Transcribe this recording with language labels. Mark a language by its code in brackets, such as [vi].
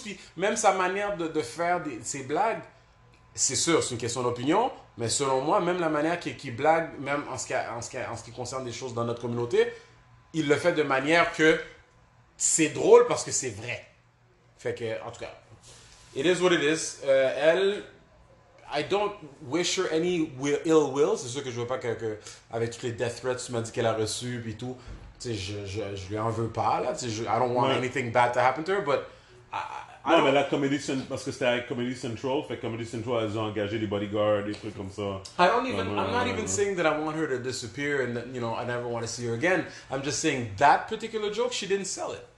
[fr] Puis même sa manière de faire ses blagues, c'est sûr, c'est une question d'opinion. Mais selon moi, même la manière qu'il blague, même en ce qui concerne des choses dans notre communauté, il le fait de manière que c'est drôle parce que c'est vrai. Fait que, en tout cas, [en] it is what it is. Elle, I don't wish her any ill will. [fr] C'est sûr que je veux pas que avec toutes les death threats, tu m'as dit qu'elle a reçu et tout. Tu sais, je lui en veux pas, là. Tu sais, [en] I don't want anything bad to happen to her, but... [fr] Mais la Comedy Central, parce que c'était avec Comedy Central, fait que Comedy Central, elles ont engagé des bodyguards, des trucs comme ça. [en] I'm not even saying that I want her to disappear and that, you know, I never want to see her again. I'm just saying that particular joke, she didn't sell it.